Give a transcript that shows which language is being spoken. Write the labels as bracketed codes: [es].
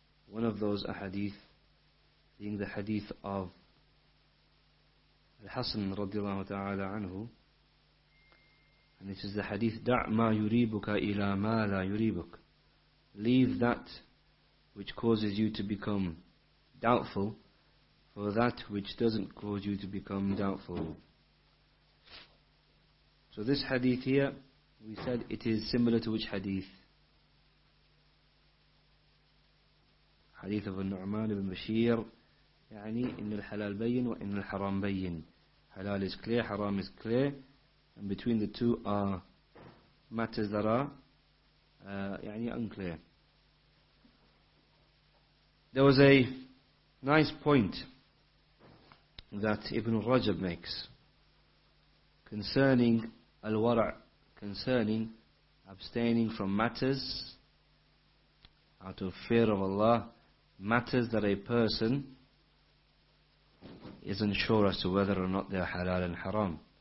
[en] One of those ahadith being the hadith of الحسن رضي الله تعالى عنه. And this is the hadith: [ar] دع ما يريبك إلى ما لا يريبك. [en] Leave that which causes you to become doubtful for that which doesn't cause you to become doubtful. So this hadith here, we said it is similar to which hadith? Hadith of [ar] النعمان بن بشير. يعني إن الحلال بين وإن الحرام بين. [en] Halal is clear, haram is clear, and between the two are matters that are unclear. There was a nice point that Ibn Rajab makes concerning al-wara', concerning abstaining from matters out of fear of Allah, matters that a person isn't sure as to whether or not they are halal and haram.